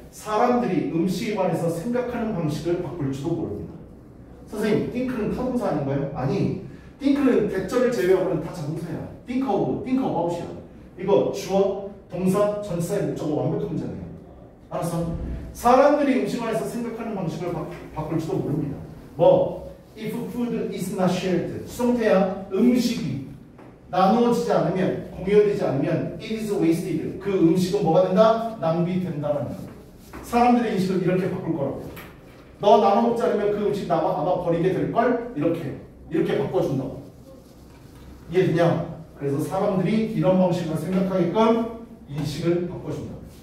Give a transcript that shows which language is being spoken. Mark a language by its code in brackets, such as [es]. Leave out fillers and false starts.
[ko] 사람들이 음식에 관해서 생각하는 방식을 바꿀지도 모릅니다. 선생님, 띵크는 타동사 아닌가요? 아니, 띵크는 대절을 제외하고는 다 자동사야. 띵크하고 띵크아웃이야. 이거 주어, 동사, 전치사의 목적어 완벽한 문장이에요. 알았어? 사람들이 음식에 관해서 생각하는 방식을 바꿀지도 모릅니다. [en] 뭐, if food is not shared, [ko] 수성태야, 음식이 나누어지지 않으면, 공유되지 않으면 [en] it is wasted. [ko] 그 음식은 뭐가 된다? 낭비된다라는 거. 사람들의 인식을 이렇게 바꿀 거라고. 너 나눠 먹지 않으면 그 음식 나 아마 버리게 될걸? 이렇게 바꿔준다. 이해되냐? 그래서 사람들이 이런 방식을 생각하게끔 인식을 바꿔준다.